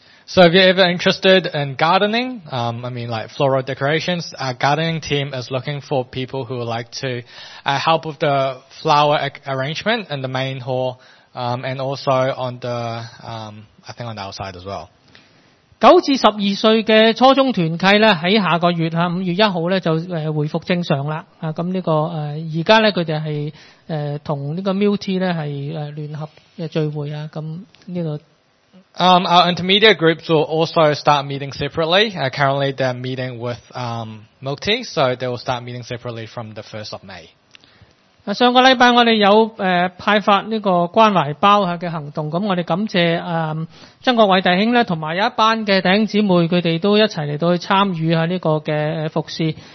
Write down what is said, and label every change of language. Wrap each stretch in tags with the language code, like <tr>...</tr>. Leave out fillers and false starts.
<en>So if you're ever interested in gardening, like floral decorations, our gardening team is looking for people who would like to help with the flower arrangement in the main hall, and also on the, I think on the outside as well.</en> <yue>9至12歲的初中團契呢在下個月5月1號呢就回復正常啦。咁呢、這個現在呢佢哋係同呢個 Multi 呢係聯合聚會啊，咁呢、這個</yue> <en>Our intermediate groups will also start meeting separately. Currently they're meeting with Milk Tea, so they will start meeting separately from the 1st of May.</en> <yue>上個禮拜我哋有派發呢個關懷包嘅行動，咁我哋感謝曾國偉弟兄呢同埋有一班嘅弟兄姊妹佢哋都一齊嚟到去參與呢個嘅服事。</yue>